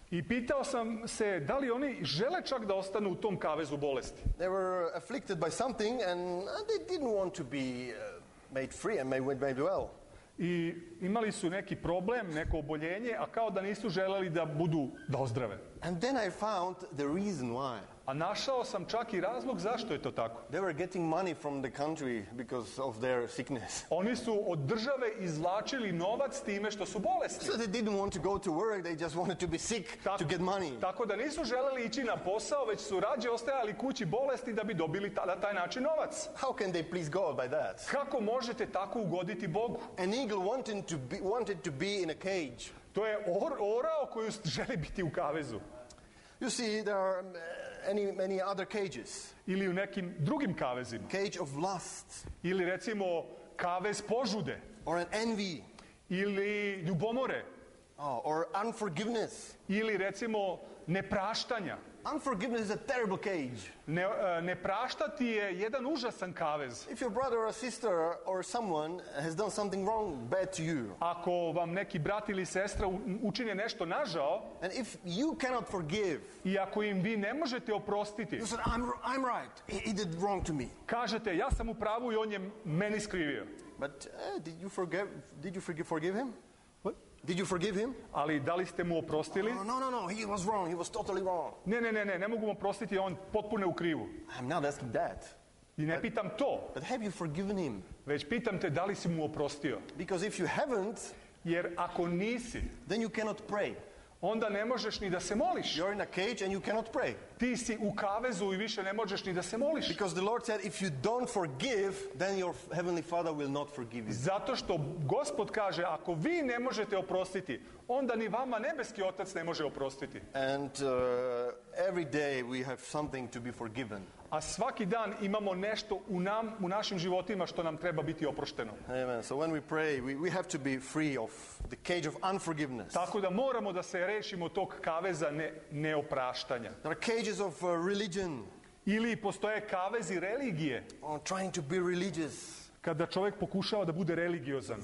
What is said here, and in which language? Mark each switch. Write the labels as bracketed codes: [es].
[sr] I pitao sam se da li oni žele čak da ostanu u tom kavezu bolesti. [en] They were afflicted by something and they didn't want to be made free and made well. [sr] I imali su neki problem, neko oboljenje, a kao da nisu želeli da budu da ozdrave. [en] And then I found the reason why. [sr] A našao sam čak i razlog zašto je to tako. [en] They were getting money from the country because of their sickness. [sr] Oni su od države izvlačili novac time što su bolesni. [en] So they didn't want to go to work, they just wanted to be sick to get money. [sr] Tako da nisu želeli ići na posao, već su rađe ostajali kući bolesti da bi dobili na taj način novac. [en] How can they please God by that? [sr] Kako možete tako ugoditi Bogu? [en] An eagle wanted to be in a cage. [sr] To je orao koji želi biti u kavezu. [en] You see, there are many other cages. [sr] Ili u nekim drugim kavezima. [en] Cage of lust. [sr] Ili recimo kavez požude. [en] Or an envy. [sr] Ili ljubomore. [en] Oh, or unforgiveness. [sr] Ili recimo nepraštanja. [en] Unforgiveness is a terrible cage. [sr] Nepraštati je jedan užasan kavez. [en] If your brother or sister or someone has done something wrong, bad to you. [sr] Ako vam neki brat ili sestra učine nešto nažao. [en] And if you cannot forgive. [sr] I ako im vi ne možete oprostiti. [en] You said, I'm right. He did wrong to me. [sr] Kažete, ja sam u pravu i on je meni skrivio. [en] But did you forgive him? What? Did you forgive him? [sr] Ali, da li ste mu oprostili? [en] No. He was wrong. He was totally wrong. [sr] Ne mogu mu oprostiti, on potpuno u krivu. [en] I'm not asking that. [sr] I ne pitam to. [en] But have you forgiven him? [sr] Već pitam te, da li si mu oprostio? [en] Because if you haven't, [sr] jer ako nisi, [en] then you cannot pray. [sr] Onda ne možeš ni da se moliš. [en] You're in a cage and you cannot pray. [sr] Ti si u kavezu i više ne možeš ni da se moliš. [en] Because the Lord said if you don't forgive, then your heavenly Father will not forgive you. [sr] Zato što Gospod kaže ako vi ne možete oprostiti, onda ni vama nebeski Otac ne može oprostiti. [en] And every day we have something to be forgiven. [sr] A svaki dan imamo nešto u nam, u našim životima što nam treba biti oprošteno. [en] Amen. So when we pray, we have to be free of the cage of unforgiveness. [sr] Tako da moramo da se rešimo tog kaveza neopraštanja. [en] There are cages of religion. [sr] Ili postoje kavezi religije. [en] Or trying to be religious. [sr] Kada čovjek pokušava da bude religiozan.